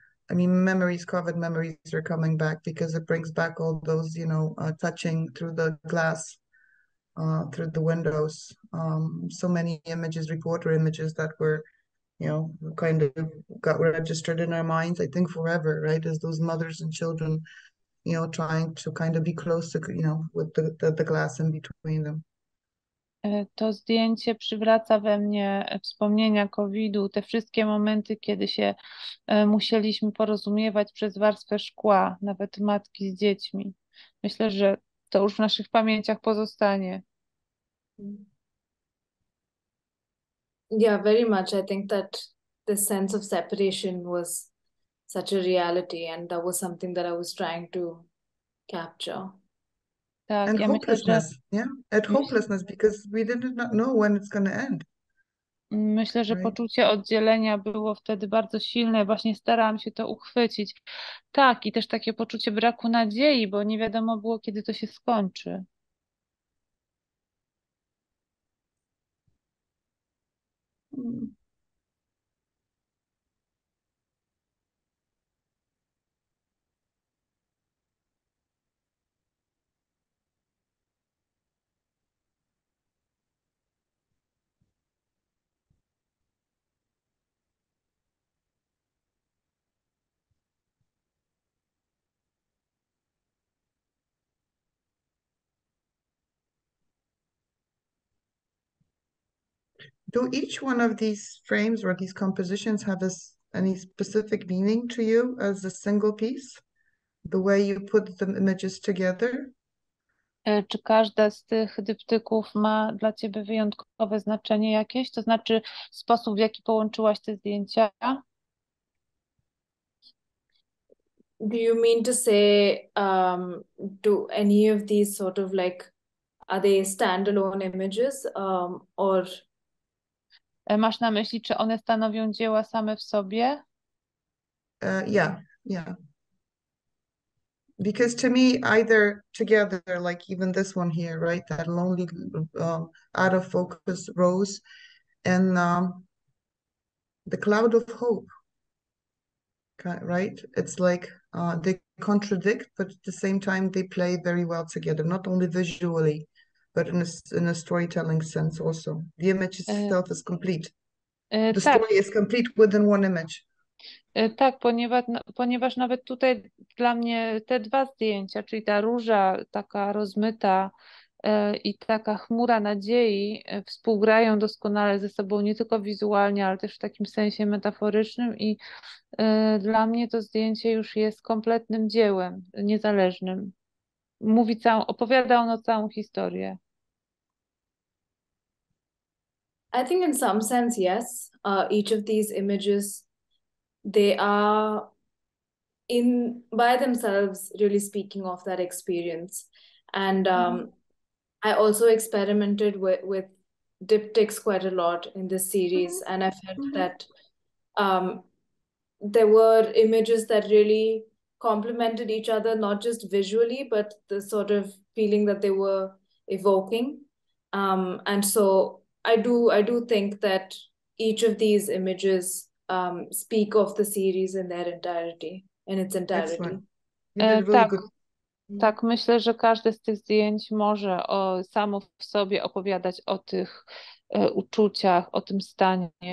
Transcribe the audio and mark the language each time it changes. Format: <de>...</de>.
<en>I mean, memories, COVID memories are coming back because it brings back all those, you know, touching through the glass, through the windows. So many images, reporter images that were, you know, kind of got registered in our minds, I think forever, right? As those mothers and children, you know, trying to kind of be close to, you know, with the glass in between them.</en> <pl>To zdjęcie przywraca we mnie wspomnienia COVID-u, te wszystkie momenty, kiedy się musieliśmy porozumiewać przez warstwę szkła, nawet matki z dziećmi. Myślę, że to już w naszych pamięciach pozostanie.</pl> <en>Yeah, very much. I think that the sense of separation was such a reality, and that was something that I was trying to capture.</en> <pl>Tak,</pl> <en>And</en> <pl>ja myślę, że</pl> <en>hopelessness, yeah, and hopelessness, because we did not know when it's going to end.</en> <pl>Myślę, że</pl> <en>Right.</en> <pl>poczucie oddzielenia było wtedy bardzo silne. Właśnie starałam się to uchwycić. Tak, i też takie poczucie braku nadziei, bo nie wiadomo było, kiedy to się skończy.</pl> <en>Do each one of these frames or these compositions have any specific meaning to you as a single piece? The way you put the images together?</en> <pl>Czy każda z tych dyptyków ma dla ciebie wyjątkowe znaczenie jakieś? To znaczy sposób, w jaki połączyłaś te zdjęcia?</pl> <en>Do you mean to say, do any of these sort of like, are they standalone images, or...</en> <pl>Masz na myśli, czy one stanowią dzieła same w sobie?</pl> <en>Yeah. Because to me, either together, like even this one here, right, that lonely, out of focus rose, and the cloud of hope, right? It's like they contradict, but at the same time, they play very well together, not only visually, but in a storytelling sense also. The image itself is complete. The</en> <pl>Tak.</pl> <en>story is complete within one image.</en> <pl>Tak, ponieważ nawet tutaj dla mnie te dwa zdjęcia, czyli ta róża taka rozmyta i taka chmura nadziei współgrają doskonale ze sobą, nie tylko wizualnie, ale też w takim sensie metaforycznym i dla mnie to zdjęcie już jest kompletnym dziełem niezależnym. Opowiada ono całą historię.</pl> <en>I think in some sense, yes, each of these images, they are in by themselves really speaking of that experience. And I also experimented with diptychs quite a lot in this series. And I felt that there were images that really complemented each other, not just visually, but the sort of feeling that they were evoking. And so I do think that each of these images speak of the series in their entirety, in its entirety. Excellent. You did really</en> <pl>Tak,</pl> <en>good.</en> <pl>tak, myślę, że każde z tych zdjęć może samo w sobie opowiadać o tych uczuciach, o tym stanie.</pl>